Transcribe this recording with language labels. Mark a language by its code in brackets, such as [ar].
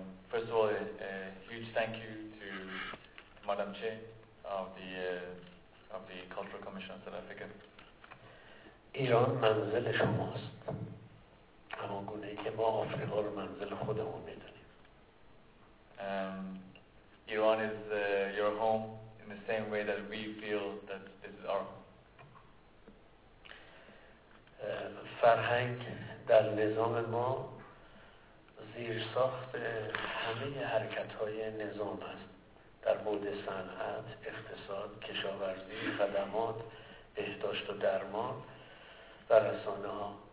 [en] First of all, a huge thank you to Madam Chair of the Cultural Commission of South Africa. [fa] ایران منزل شماست، اما گونه‌ای که ما آفریقا رو منزل خودمون می‌دانیم. [en] Iran is your home in the same way that we feel that this is our home. [fa] فرهنگ در نظام ما زیرساخت همه حرکت‌های نظام است. در بود صنعت، اقتصاد، کشاورزی، خدمات، بهداشت و درمان و رسانه ها.